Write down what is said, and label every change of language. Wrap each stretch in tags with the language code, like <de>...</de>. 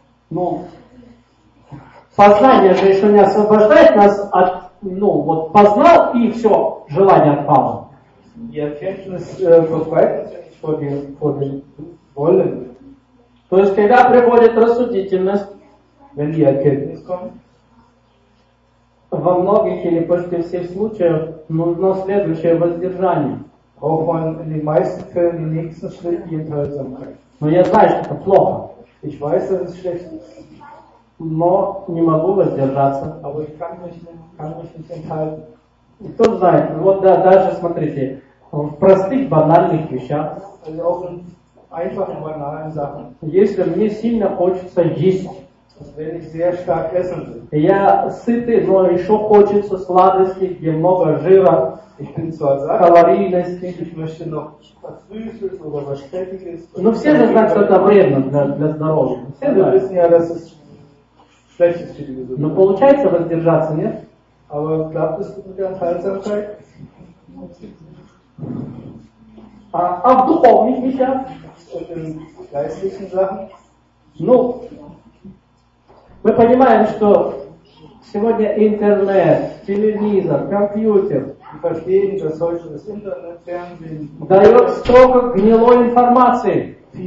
<ru>Ну, познание же еще не освобождает нас от, ну, вот познал и все, желание отпало.</ru> <de>Die Erkenntnis befreit vor dem Wollen.</de> <ru>То есть, когда приходит рассудительность,</ru> <de>wenn die Erkenntnis kommt,</de> <ru>во многих или почти всех случаях нужно следующее воздержание.</ru> <de>Braucht man in den meisten Fällen den nächsten Schritt, die Enthaltsamkeit.</de> <ru>Но я знаю, что это плохо.</ru> <de>Ich weiß, dass es schlecht ist.</de> <ru>Но не могу воздержаться.</ru> <de>Aber ich kann mich nicht enthalten.</de> <ru>Кто знает, вот да, даже смотрите, в простых банальных вещах.</ru> <de>Also auch in einfachen banalen Sachen.</de> <ru>Если мне сильно хочется есть.</ru> <de>Wenn ich sehr stark essen will.</de> <ru>Я сытый, но еще хочется сладостей, где много жира, калорийности.</ru> <de>Ich möchte noch was Süßes oder was Fettiges.</de> <ru>Но все же знают, что это вредно для здоровья. Все</ru> <de>wissen ja, dass es schlecht ist für die Gesundheit.</de> <ru>Но получается воздержаться, нет?</ru> <de>Aber glaubt es mit der Enthaltsamkeit?</de> <ru>А в духовных вещах?</ru> <de>Und in geistlichen Sachen?</de> <ru>Ну, мы понимаем, что сегодня интернет, телевизор, компьютер дает столько гнилой информации.</ru>